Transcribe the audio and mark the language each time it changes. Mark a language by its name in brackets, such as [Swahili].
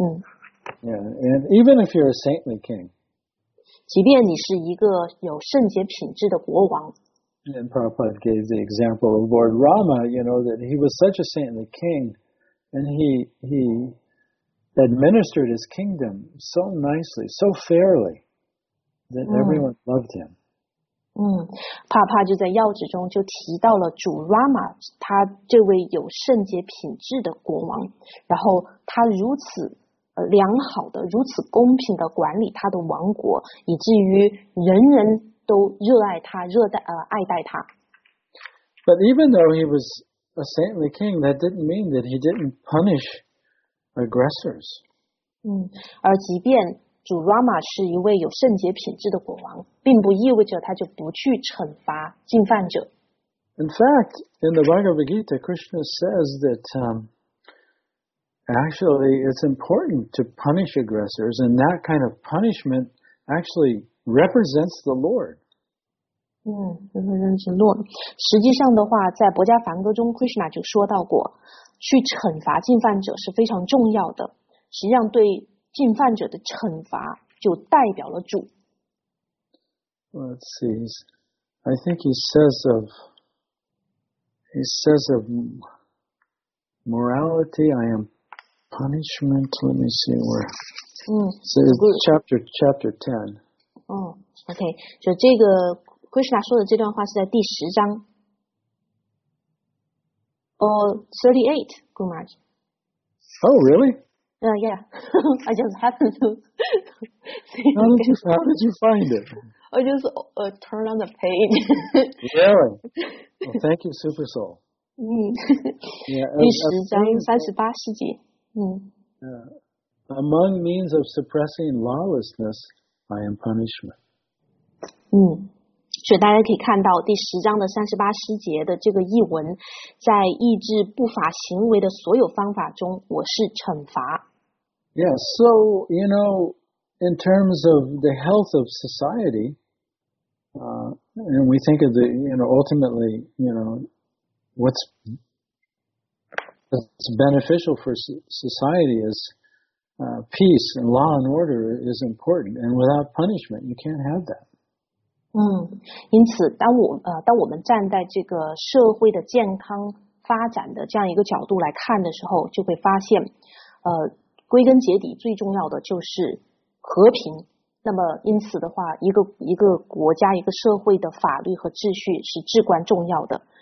[English] Yeah, and even if you're a saintly king. [Chinese] 即便你是一个有圣洁品质的国王。 [English] And Prabhupada gave the example of Lord Rama, you know, that he was such a saintly king, and he administered his kingdom so nicely, so fairly, that everyone loved him. [Chinese] 帕帕就在要旨中就提到了主 Rama, 他这位有圣洁品质的国王，然后他如此良好的、如此公平的管理他的王国，以至于人人都热爱他、爱戴他。 [English] But even though he was a saintly king, that didn't mean that he didn't punish aggressors. [Chinese] 而即便主 Rama 是一位有圣洁品质的国王，并不意味着他就不去惩罚进犯者。 [English] In fact, in the Bhagavad Gita, Krishna says that, actually, it's important to punish aggressors, and that kind of punishment actually represents the Lord. represents the Lord. [Chinese] 实际上的话，在《薄伽梵歌》中 ，Krishna 就说到过，去惩罚进犯者是非常重要的。实际上，对进犯者的惩罚就代表了主。 [English] Let's see. I think he says of morality, I am. Punishment. Let me see where. So it's chapter 10. Okay. So this [Chinese] Krishna 说的这段话是在第十章。 [English] 38, Gumaraj. Oh, really? Yeah. I just happened to. How did you find it? I just turned on the page. Really? Well, thank you, Super Soul. [Chinese] 第十章38世纪。 [English] Among means of suppressing lawlessness, I am punishment. [Chinese] 所以大家可以看到第十章的三十八诗节的这个译文，在抑制不法行为的所有方法中，我是惩罚。 [English] Yeah, so, you know, in terms of the health of society, and we think of the, you know, ultimately, you know, what's beneficial for society is peace and law and order is important, and without punishment, you can't have that. [Chinese] 因此当我们站在这个社会的健康发展的这样一个角度来看的时候，就会发现，归根结底最重要的就是和平。那么因此的话，一个国家、一个社会的法律和秩序是至关重要的。